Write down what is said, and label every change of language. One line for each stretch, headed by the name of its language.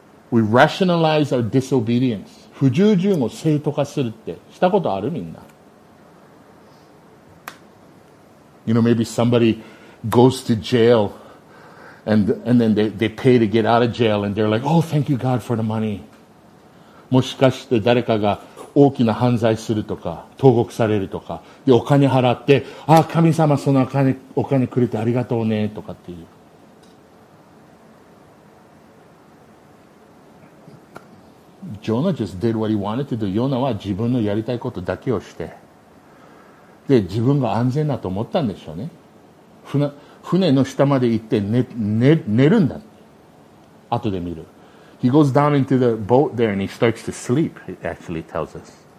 English: We rationalize our disobedience.
Japanese: 不従順を正当化するってしたことある？みんな。
English: You know, maybe somebody goes to jail and then they pay to get out of jail and they're like, oh, thank you God for the money.
Japanese: もしかして誰かが大きな犯罪するとか投獄されるとかでお金払って、ああ神様そのお金くれてありがとうねとかっていう。
English: Jonah just did what he wanted to do.
Japanese: ヨナは自分のやりたいことだけをして、で自分が安全だと思ったんでしょうね。船の下まで行って寝るんだ。後で見る。
English: He goes down into the boat there and he starts to sleep, it actually tells us.